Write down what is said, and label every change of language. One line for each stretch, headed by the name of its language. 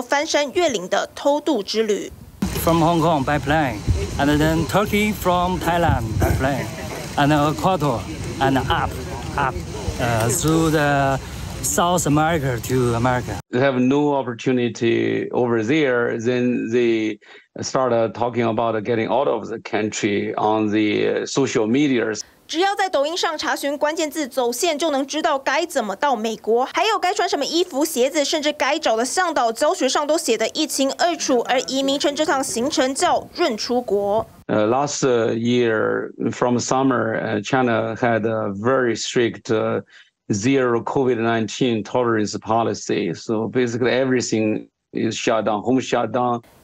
Chinese: 镜头记录下连续3个星期，数百名大陆偷渡客循着德州东南部路线，艰辛渡河、翻山越岭的偷渡之旅。
English: From Hong Kong by plane, and then Turkey from Thailand by plane, and Ecuador, and up through the South America to America. They have no opportunity over there. Then they start talking about getting out of the country on the social media.
Chinese: 只要在抖音上查询关键字“走线”，就能知道该怎么到美国，还有该穿什么衣服、鞋子，甚至该找的向导，教学上都写得一清二楚。而移民称这趟行程叫“润出国”。
English: Last year from summer, China had a very strict zero COVID-19 tolerance policy. So basically, everything is shut down, home shut down.